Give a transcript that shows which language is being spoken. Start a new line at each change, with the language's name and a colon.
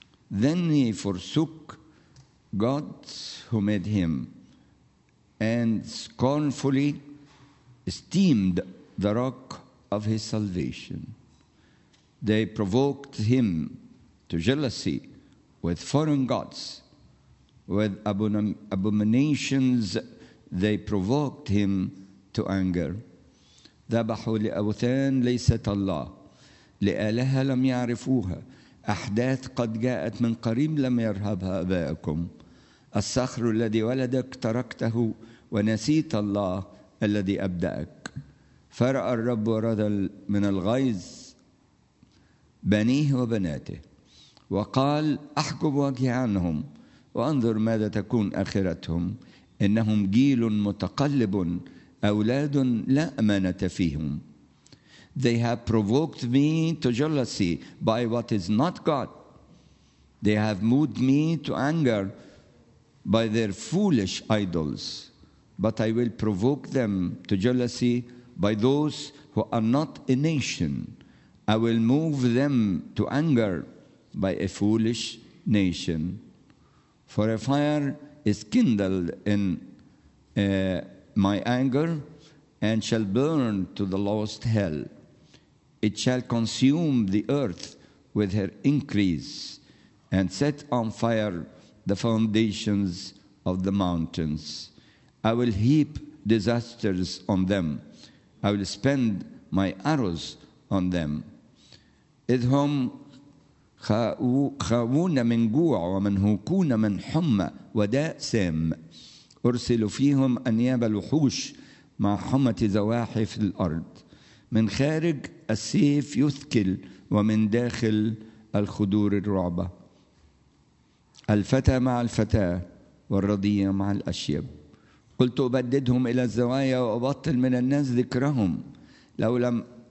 English: Then he forsook God who made him and scornfully esteemed the rock of his salvation. They provoked him to jealousy with foreign gods. With abominations, they provoked him to anger.
Arabic: ذبحوا لأوثان ليست الله لآلهة لم يعرفوها أحداث قد جاءت من قريب لم يرهبها أبائكم الصخر الذي ولدك تركته ونسيت الله الذي أبدأك فرأى الرب رذل من الغيظ بنيه وبناته وقال أحجب وجهي عنهم وأنظر ماذا تكون آخرتهم إنهم جيل متقلب أولاد لا أمانة فيهم.
English: They have provoked me to jealousy by what is not God. They have moved me to anger by their foolish idols. But I will provoke them to jealousy by those who are not a nation. I will move them to anger by a foolish nation. For a fire is kindled in my anger and shall burn to the lowest hell. It shall consume the earth with her increase and set on fire the foundations of the mountains. I will heap disasters on them. I will spend my arrows on them.
Arabic: إذهم خاوون من جوع ومن هوكون من حمى وداء سام أرسل فيهم أنياب الوحوش مع حمة زواحف الأرض من خارج السيف يثكل ومن داخل الخدور الرعبة الفتى مع الفتاة والرضيع مع الأشيب قلت أبددهم إلى الزوايا وأبطل من الناس ذكرهم لو لم